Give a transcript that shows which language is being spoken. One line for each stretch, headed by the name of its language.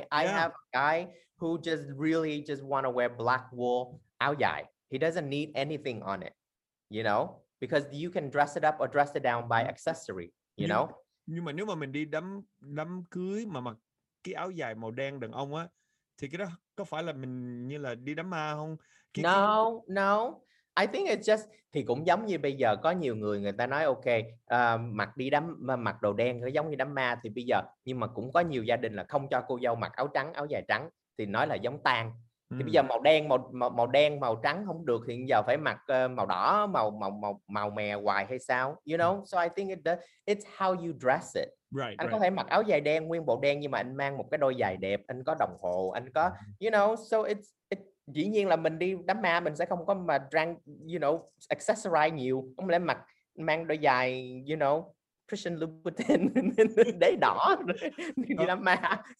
English: I have a guy who just really just want to wear black wool áo dài. He doesn't need anything on it, you know, because you can dress it up or dress it down by accessory, you know.
Vietnamese: Nhưng mà nếu mà mình đi đám cưới mà mặc cái áo dài màu đen đàn ông á, thì cái đó có phải là mình như là đi đám ma không?
English: No. I think it's just,
Vietnamese: thì cũng giống như bây giờ có nhiều người người ta nói ok, mặc đi đám, mặc đồ đen nó giống như đám ma, thì bây giờ, nhưng mà cũng có nhiều gia đình là không cho cô dâu mặc áo trắng, áo dài trắng, thì nói là giống tang. Thì bây giờ màu đen, màu trắng không được, hiện giờ phải mặc màu đỏ, màu mè hoài hay sao,
English: you know? So I think it's how you dress it. Right,
Vietnamese: anh có thể mặc áo dài đen, nguyên bộ đen, nhưng mà anh mang một cái đôi giày đẹp, anh có đồng hồ, anh có,
English: you know, so it's
Vietnamese: dĩ nhiên là mình đi đám ma mình sẽ không có mà trang, you know, accessorize nhiều, không lẽ mặc mang đôi giày, you know, Christian Louboutin để đỏ đi đám ma.